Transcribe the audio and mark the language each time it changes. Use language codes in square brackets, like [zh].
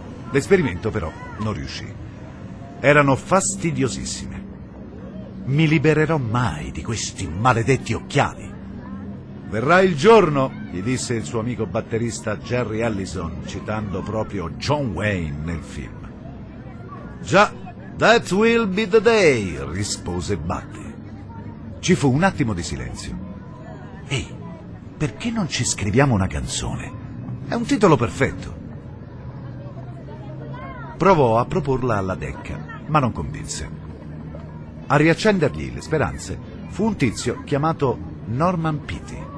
[it] L'esperimento però non riuscì. Erano fastidiosissime. Mi libererò mai di questi maledetti occhiali. Verrà il giorno, gli disse il suo amico batterista Jerry Allison, citando proprio John Wayne nel film. Già, [en] that will be the day, [it] rispose Buddy. Ci fu un attimo di silenzio. Ehi, perché non ci scriviamo una canzone? È un titolo perfetto. Provò a proporla alla Decca, ma non convinse. A riaccendergli le speranze fu un tizio chiamato Norman Petty.